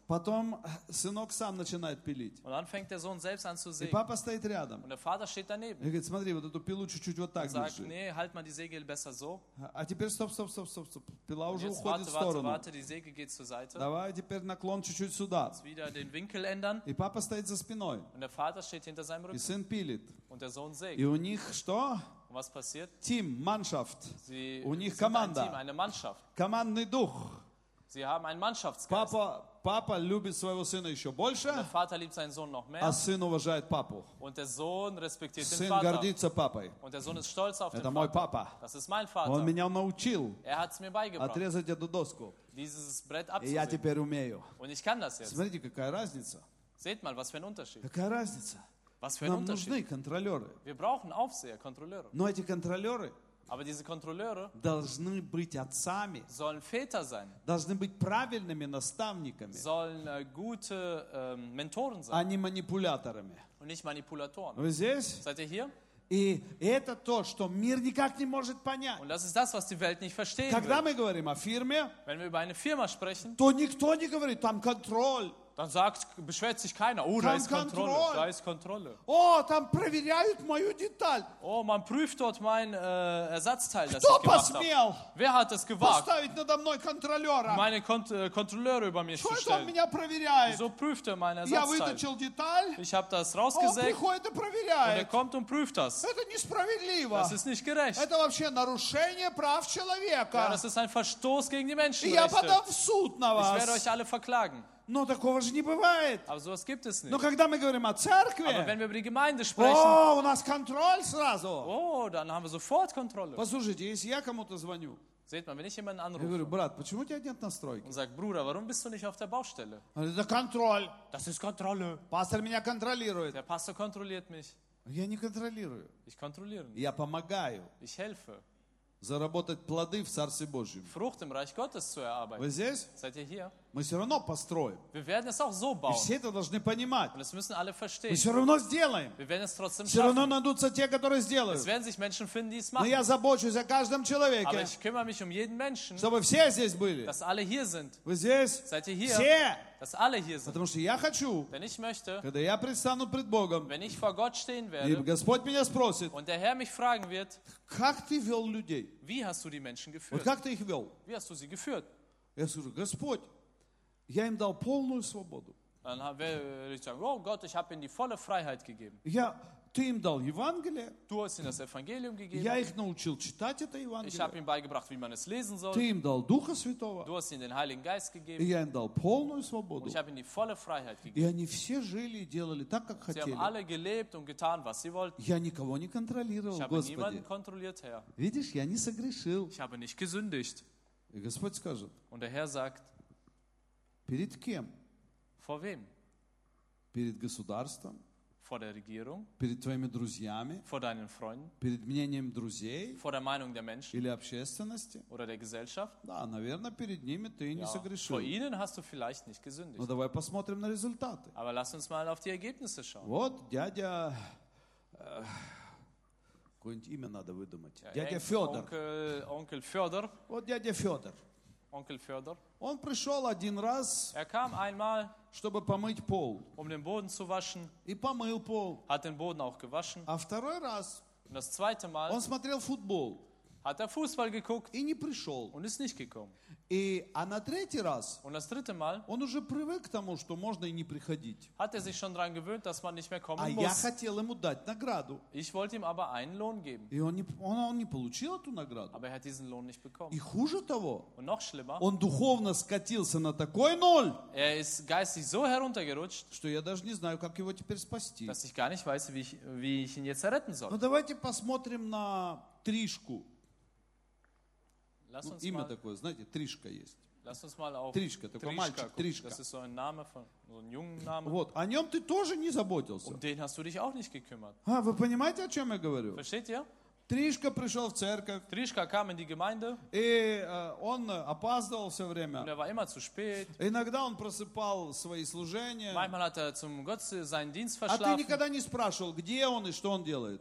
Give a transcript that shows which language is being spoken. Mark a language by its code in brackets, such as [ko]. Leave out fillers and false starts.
[ru] Потом сынок сам начинает пилить. [de] Und dann fängt der Sohn selbst an zu sägen. [ru] И папа стоит рядом. [de] Und der Vater steht daneben. [ru] И говорит, смотри, вот эту пилу чуть-чуть вот так держи. [de] Sagt, nee, halt mal die Säge besser so. [ru] А теперь стоп. Пила уже уходит в сторону. [de] Warte, die Säge geht zur Seite. [ru] Давай теперь наклон чуть-чуть сюда. [de] Jetzt wieder den Winkel ändern. [ru] И папа стоит за спиной. [de] Und der Vater steht hinter seinem Rücken. [ru] И сын пилит. [de] Und der Sohn sägt. [ru] И у них что? [de] Und was passiert? Team, Mannschaft. Sie [ru] у них команда. [de] Ein Team, eine Mannschaft. [ru] Командный дух. [de] Sie haben einen Mannschaftsgeist. [ru] Папа любит своего сына еще больше. [de] Und der Vater liebt seinen Sohn noch mehr. [ru] А сын уважает папу. [de] Und der Sohn respektiert [ru] сын [de] den Vater. [ru] Гордится папой. [de] Und der Sohn ist stolz auf [ru] Это [de] den [ru] мой [de] Vater. [ru] Папа. [de] Das ist mein Vater. [ru] Он меня научил. [de] Er hat's mir beigebracht. [ru] Отрезать эту доску. [de] Dieses Brett abzusehen. [ru] И я теперь умею. [de] Und ich kann das jetzt. [ru] Смотрите, какая разница. [de] Seht mal, was für ein Unterschied. [ru] Какая разница. [de] Was für ein Unterschied. [ru] Нам нужны контролеры. [de] Wir brauchen Aufseher, Kontrolleure. [ru] Но эти контролеры [de] Aber diese Kontrolleure [ru] должны быть отцами. [de] Sollen Väter sein. [ru] Должны быть правильными наставниками. [de] Sollen gute Mentoren sein. [ru] А не манипуляторами. [de] Und nicht Manipulatoren. [ru] Вы здесь? [de] Seid ihr hier? [ru] И это то, что мир никак не может понять. [de] Und das ist das, was die Welt nicht verstehen [ru] Когда [de] will. [ru] Мы говорим о фирме, [de] Wenn wir über eine Firma sprechen, [ru] то никто не говорит, там контроль. [de] Dann sagt, beschwert sich keiner. Oh, da ist Kontrolle. Da ist Kontrolle. [ru] Oh, там проверяют мою деталь. [de] Oh, man prüft dort mein Ersatzteil, [ru] Кто [de] das ich gemacht habe. [ru] Посмел? [de] Wer hat das gewagt? [ru] Поставить надо мной контролера. [de] Meine Kontrolleure über mir [ru] Что [de] zu stellen. [ru] Он меня проверяет? [de] Wieso prüft mein Ersatzteil? [ru] Я вытащил деталь. [de] Ich habe das rausgesägt. [ru] Он приходит и проверяет. [de] Und er kommt und prüft das. [ru] Это несправедливо. [de] Das ist nicht gerecht. [ru] Это вообще нарушение прав человека. [de] Ja, das ist ein Verstoß gegen die Menschenrechte. [ru] Я подам в суд на вас. [de] Ich werde euch alle verklagen. [ru] Но такого же не бывает. [de] Aber sowas gibt es nicht. [ru] Но когда мы говорим о церкви, [de] Aber wenn wir über die Gemeinde sprechen, [ru] у нас контроль сразу. [de] Oh, dann haben wir sofort Kontrolle. [ru] Послушайте, если я кому-то звоню, [de] Seht mal, wenn ich jemanden anrufe, [ru] я говорю, брат, почему у тебя нет настройки? [de] Und sag, Bruder, warum bist du nicht auf der Baustelle? [ru] Это контроль. [de] Das ist Kontrolle. [ru] Пастор меня контролирует. [de] Der Pastor kontrolliert mich. [ru] Я не контролирую. [de] Ich kontrolliere nicht. [ru] Я помогаю. [de] Ich helfe. [ru] Заработать плоды в Царстве Божьем. [de] Frucht im Reich Gottes zu erarbeiten. [ru] Вы здесь? [de] Seid ihr hier? [ru] Мы все равно построим. [de] Wir werden es auch so bauen. [ru] И все это должны понимать. [de] Und das müssen alle verstehen. [ru] Мы все равно сделаем. [de] Wir werden es trotzdem schaffen. [ru] Все равно найдутся те, которые сделают. [de] Es werden sich Menschen finden, die es machen. [ru] Но я забочусь о каждом человеке. [de] Aber ich kümmere mich um jeden Menschen. [ru] Чтобы все здесь были. [de] Dass alle hier sind. [ru] Вы здесь? [de] Seid ihr hier? [ru] Все. [de] Dass alle hier sind. [ru] Потому что я хочу, [de] Denn ich möchte, [ru] когда я предстану пред Богом, [de] wenn ich vor Gott stehen werde, [ru] и Господь меня спросит, [de] und der Herr mich fragen wird, [ru] как ты вел людей? [de] Wie hast du die Menschen geführt? [ru] Вот как ты их вел? [de] Wie hast du sie geführt? [ru] Я скажу, Господь, я им дал полную свободу. [de] Dann werde ich sagen, oh Gott, ich habe ihnen die volle Freiheit gegeben. [ru] Я, ты им дал Евангелие. [de] Du hast ihnen das Evangelium gegeben. [ru] Я их научил читать это Евангелие. [de] Ich habe ihnen beigebracht, wie man es lesen soll. [ru] Ты им дал Духа Святого. [de] Du hast ihnen den Heiligen Geist gegeben. [ru] И я им дал полную свободу. [de] Und ich habe ihnen die volle Freiheit gegeben. [ru] И они все жили и делали так, как [de] sie [ru] хотели. [de] Sie haben alle gelebt und getan, was sie wollten. [ru] Я никого не контролировал, [de] ich habe [ru] Господи. [de] Niemanden kontrolliert, Herr. [ru] Видишь, я не согрешил. [de] Ich habe nicht gesündigt. [ru] И Господь скажет. [de] Und der Herr sagt. [ru] Перед кем? [de] Vor wem? [ru] Перед государством. [de] Vor der Regierung. [ru] Перед твоими друзьями. [de] Vor deinen Freunden. [ru] Перед мнением друзей. [de] Vor der Meinung der Menschen. [ru] Или общественности. [de] Oder der Gesellschaft. [ru] Да, наверное, перед ними ты не согрешил. [de] Vor ihnen hast du vielleicht nicht gesündigt. [ru] Но давай посмотрим на результаты. [de] Aber lass uns mal auf die Ergebnisse schauen. [ru] Вот дядя... какое-нибудь имя надо выдумать. Ja, дядя Федор. [de] Onkel Федор. [ru] Вот дядя Федор. [de] Onkel Федор. [ru] Он пришел один раз, [de] er kam einmal, [ru] чтобы помыть пол. [de] Um den Boden zu waschen, [ru] и помыл пол. [de] Hat den Boden auch gewaschen. [ru] А второй раз, [de] das zweite Mal, [ru] он смотрел футбол. [de] Hat er Fußball geguckt [ru] и не пришел. [de] Und ist nicht gekommen. [ru] И, а на третий раз [de] und das dritte Mal, [ru] он уже привык к тому, что можно и не приходить. [de] Hat er sich schon dran gewöhnt, dass man nicht mehr kommen [ru] а [de] muss. [ru] Я хотел ему дать награду. [de] Ich wollte ihm aber einen Lohn geben. [ru] И он не получил эту награду. [de] Aber er hat diesen Lohn nicht bekommen. [ru] И хуже того, [de] und noch schlimmer, [ru] он духовно скатился на такой ноль, [de] er ist geistig so heruntergerutscht, [ru] что я даже не знаю, как его теперь спасти. [de] Dass ich gar nicht weiß, wie ich ihn jetzt retten soll. [ru] Ну давайте посмотрим на Тришку. Ну, имя [de] mal, [ru] такое, знаете, Тришка есть. [de] Lass uns mal auf [ru] Тришка, такой Тришка мальчик, [de] guck. [ru] Тришка. [de] Das ist so ein Name von, so ein jungen Name. [ru] Вот, о нем ты тоже не заботился. [de] Um den hast du dich auch nicht gekümmert. [ru] А, вы понимаете, о чем я говорю? [de] Versteht ihr? [ru] Тришка пришел в церковь. [de] Тришка kam in die Gemeinde. [ru] И он опаздывал все время. [de] Und er war immer zu spät. [ru] Иногда он просыпал свои служения. [de] Manchmal hat er zum Gottesdienst seinen Dienst verschlafen. [ru] А ты никогда не спрашивал, где он и что он делает?